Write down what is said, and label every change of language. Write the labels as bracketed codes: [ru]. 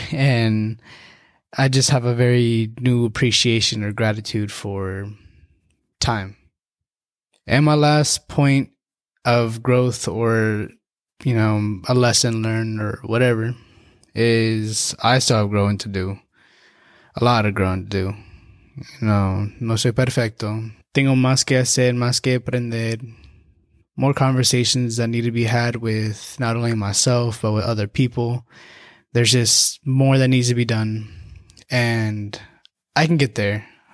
[en] And I just have a very new appreciation or gratitude for time. And my last point of growth, or, you know, a lesson learned or whatever, is I still have growing to do. A lot of growing to do. [es] You know, no soy perfecto. Tengo más que hacer, más que aprender. [en] More conversations that need to be had with not only myself, but with other people. There's just more that needs to be done. And I can get there.